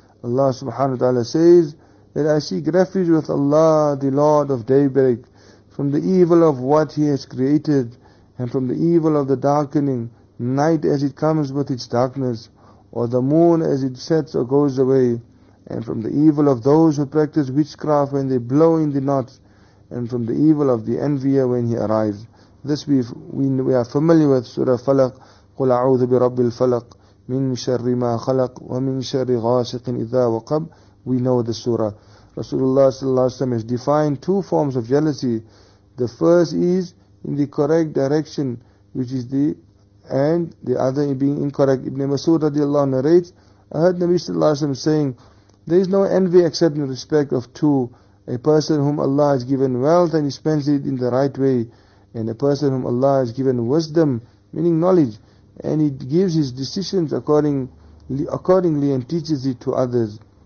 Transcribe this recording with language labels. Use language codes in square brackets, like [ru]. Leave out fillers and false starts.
[en] Allah subhanahu wa ta'ala says that I seek refuge with Allah, the Lord of daybreak, from the evil of what He has created and from the evil of the darkening night as it comes with its darkness, or the moon as it sets or goes away, and from the evil of those who practice witchcraft when they blow in the knots, and from the evil of the envier when he arrives. This we are familiar with, Surah Falaq. [ar] قُلْ أَعُوذُ بِرَبِّ الْفَلَقِ مِنْ شَرِّ مَا خَلَقَ وَمِنْ شَرِّ غَاسِقٍ إِذَا وَقَبَ. [en] We know the surah. Rasulullah sallallahu alaihi wasallam has defined two forms of jealousy. The first is in the correct direction, which is the, and the other being incorrect. Ibn Masud radiallahu anhu narrates, I heard Nabi sallallahu alaihi wasallam saying, there is no envy except in respect of two, a person whom Allah has given wealth and he spends it in the right way, and a person whom Allah has given wisdom, meaning knowledge, and he gives his decisions accordingly and teaches it to others.